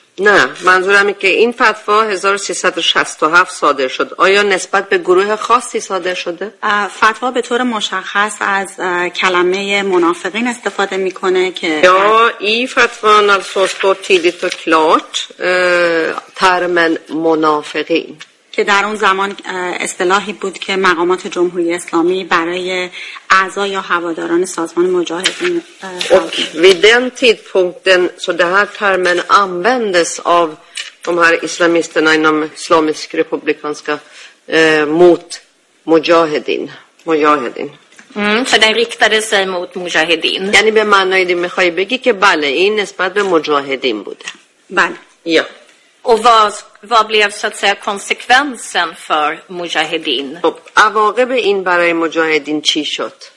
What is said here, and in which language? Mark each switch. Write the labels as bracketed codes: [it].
[fa] Nej, منظورم اینه که این فتوا 1367 صادر شد. آیا نسبت به گروه خاصی صادر شده؟ فتوا به طور مشخص از کلمه منافقین استفاده میکنه که یا این فتوان [sv] alltså står tydligt och klart termen منافقین [fa] که در اون زمان اصطلاحی بود که مقامات جمهوری اسلامی برای اعضا یا هواداران سازمان مجاهدین [sv] och vid den tidpunkten så det här termen användes av de här islamisterna inom islamisk republikanska mot mujahedin För den riktade sig mot Mujahedin. [fa] Yani به معنای دیمخایبگی که بله این نسبت به مجاهدین بوده. بله. [sv] Ja. Och vad blev så att säga konsekvensen för Mujahedin? [fa] عواقب این برای مجاهدین چی شد؟